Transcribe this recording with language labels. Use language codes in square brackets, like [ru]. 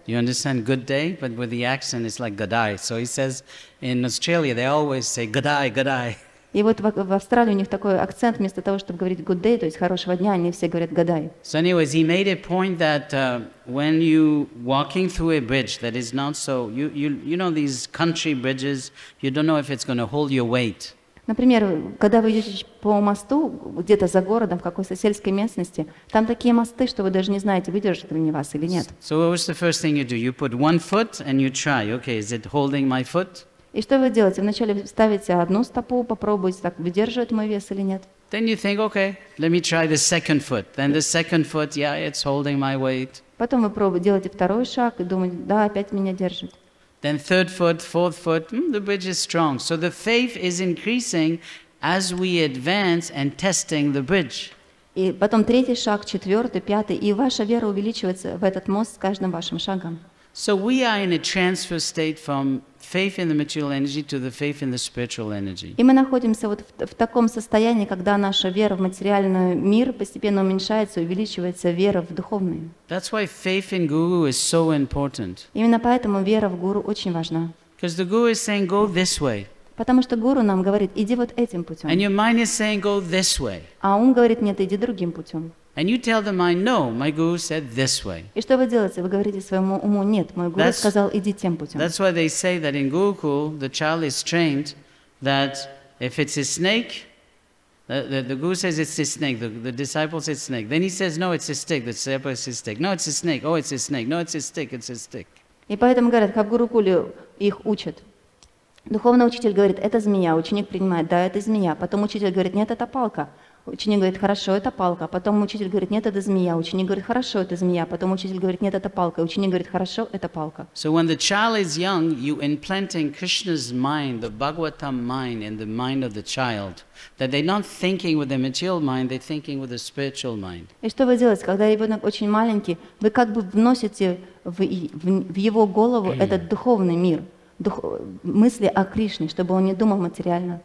[en] You understand good day, but with the accent, it's like Gadai. So he says in Australia, they always say Gadai, Gadai. [ru] И вот в Австралии у них такой акцент, вместо того, чтобы говорить [en] good day, [ru] то есть хорошего дня, они все говорят Гадай. [en] So anyways, he made a point that when you walking through a bridge that is not so, you know these country bridges, you don't know if it's going to hold your weight. [ru] Например, когда вы идете по мосту, где-то за городом, в какой-то сельской местности, там такие мосты, что вы даже не знаете, выдержит ли они вас или нет. [en] So what was the first thing you do? You put one foot and you try, okay, is it holding my foot? [ru] И что вы делаете? Вначале ставите одну стопу, попробуйте, так выдерживает мой вес или нет. [en] Then you think, okay, let me try the second foot. Then the second foot, yeah, it's holding my weight. [ru] Потом вы пробуете, делаете второй шаг и думаете, да, опять меня держит. [en] Then third foot, fourth foot, the bridge is strong. So the faith is increasing as we advance and testing the bridge. [ru] И потом третий шаг, четвертый, пятый, и ваша вера увеличивается в этот мост с каждым вашим шагом. [en] So we are in a transfer state from faith in the material energy to the faith in the spiritual energy. [ru] И мы находимся вот в таком состоянии, когда наша вера в материальный мир постепенно уменьшается, увеличивается вера в духовный. [en] That's why faith in guru is so important. [ru] Именно поэтому вера в гуру очень важна. [en] Because the guru is saying, go this way. [ru] Потому что гуру нам говорит, иди вот этим путем. [en] And your mind is saying, go this way. [ru] А ум говорит, нет, иди другим путем. [en] And you tell the mind, no, my guru said this way. [ru] И что вы делаете? Вы говорите своему уму, нет, мой гуру сказал, иди тем путем. [en] That's why they say that in Gurukul, the child is trained that if it's a snake, the guru says it's a snake, the disciple says snake. Then he says, no, it's a stick, the disciple says it's a stick. No, it's a snake, oh, it's a snake. No, it's a stick, it's a stick. [ru] И поэтому говорят, как в Гурукуле их учат. Духовный учитель говорит, это змея, ученик принимает, да, это змея. Потом учитель говорит, нет, это палка. Ученик говорит, хорошо, это палка. Потом учитель говорит, нет, это змея. Ученик говорит, хорошо, это змея. Потом учитель говорит, нет, это палка. Ученик говорит, хорошо, это палка. [en] So when the child is young, you implanting Krishna's mind, the Bhagavatam mind in the mind of the child, that they're not thinking with the material mind, they're thinking with the spiritual mind. [ru] И что вы делаете, когда ребенок очень маленький, вы как бы вносите в его голову этот духовный мир, мысли о Кришне, чтобы он не думал материально.